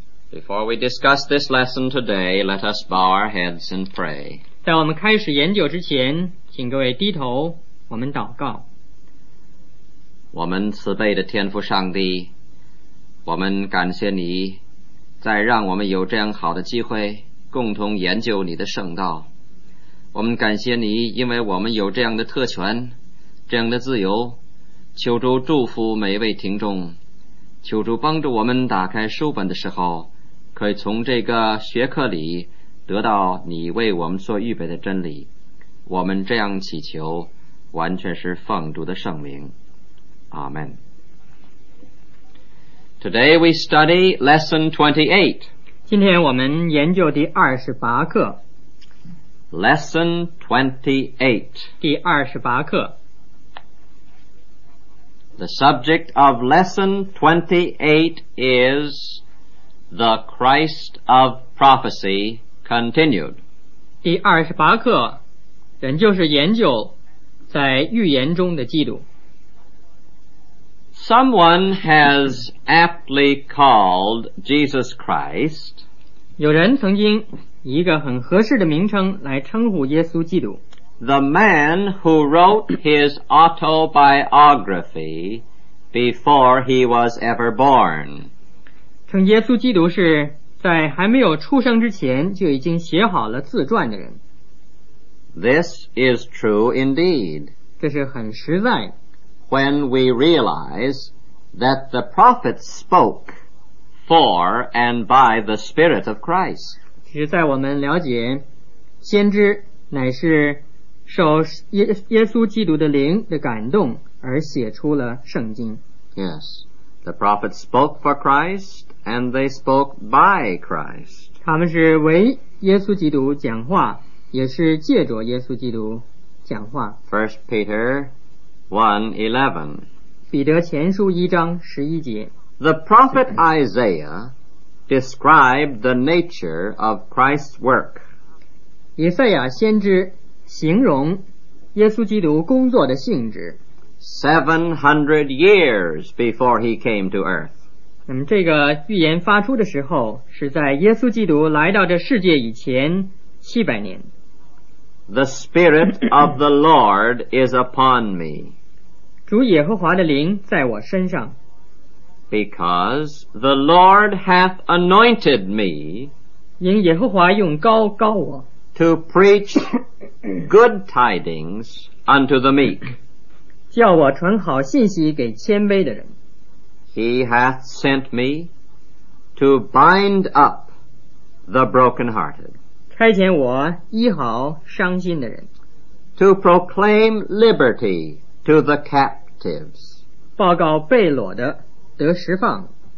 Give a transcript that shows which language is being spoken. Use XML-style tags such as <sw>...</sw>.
<en>Before we discuss this lesson today, let us bow our heads and pray.</en> <zh>在我们开始研究之前，请各位低头，我们祷告。我们慈悲的天父上帝，我们感谢你再让我们有这样好的机会共同研究你的圣道。我们感谢你，因为我们有这样的特权，这样的自由，求主祝福每一位听众，求主帮助我们打开书本的时候，可以从这个学课里得到你为我们所预备的真理。我们这样祈求，完全是奉主的圣名，阿们。</zh> <en>Today we study lesson 28.</en> <zh>今天我们研究第二十八课。</zh> <en>Lesson 28.</en> <zh>第二十八课。</zh> <en>The subject of lesson 28 is the Christ of prophecy continued.</en> <zh>第二十八课，仍旧是研究在预言中的基督。</zh> <en>Someone has aptly called Jesus Christ.</en> <zh>有人曾经以一个很合适的名称来称呼耶稣基督。</zh> <en>The man who wrote his autobiography before he was ever born.</en> <zh>称耶稣基督是在还没有出生之前就已经写好了自传的人。</zh> <en>This is true indeed.</en> <zh>这是很实在的。</zh> <en>When we realize that the prophets spoke for and by the Spirit of Christ.</en> <zh>其实在我们了解先知乃是受耶稣基督的灵的感动而写出了圣经。</zh> <en>Yes, the prophets spoke for Christ and they spoke by Christ.</en> <zh>他们是为耶稣基督讲话，也是借着耶稣基督讲话。</zh> <en>First Peter 1:11.</en> <zh>彼得前书一章十一节。</zh> <en>The prophet Isaiah described the nature of Christ's work.</en> <zh>以赛亚先知形容耶稣基督工作的性质。</zh> <en>700 years before he came to earth.</en> <zh>那么这个预言发出的时候，是在耶稣基督来到这世界以前700年。</zh> <en>The Spirit of the Lord is upon me.</en> <zh>主耶和华的灵在我身上。</zh> <en>Because the Lord hath anointed me.</en> <zh>因耶和华用膏膏我。</zh> <en>To preach good tidings unto the meek.</en> <zh>叫我传好信息给谦卑的人。</zh> <en>He hath sent me to bind up the brokenhearted.</en> <zh>差遣我医好伤心的人。</zh> <en>To proclaim liberty to the captives.</en> <zh>报告被掳的得释放。</zh>